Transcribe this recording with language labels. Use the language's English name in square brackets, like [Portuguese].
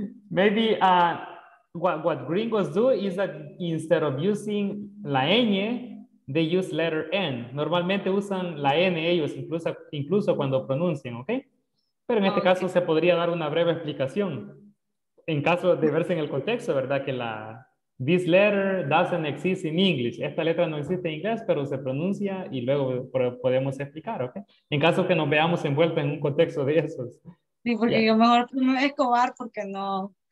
[English] Maybe what gringos do is that instead of using [Spanish] la ñ, [English] they use letter N. [Spanish] Normalmente usan la N ellos, incluso cuando pronuncian, ¿ok? Pero en este caso se podría dar una breve explicación. En caso de verse en el contexto, ¿verdad? Que la [English] this letter doesn't exist in English. [Spanish] Esta letra no existe en inglés, pero se pronuncia y luego podemos explicar, ¿ok? En caso que nos veamos envueltos en un contexto de esos. Sí, porque yo mejor no es Escobar porque no.